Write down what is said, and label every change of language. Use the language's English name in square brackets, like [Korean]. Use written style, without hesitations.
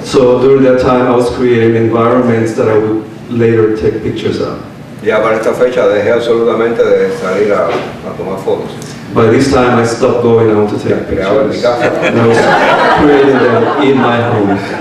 [English] So during that time I was creating environments that I would later take pictures of. [Spanish] Ya para esta fecha dejé absolutamente de salir a, a tomar fotos. [English] By this time I stopped going out to take pictures. I was creating them in my home.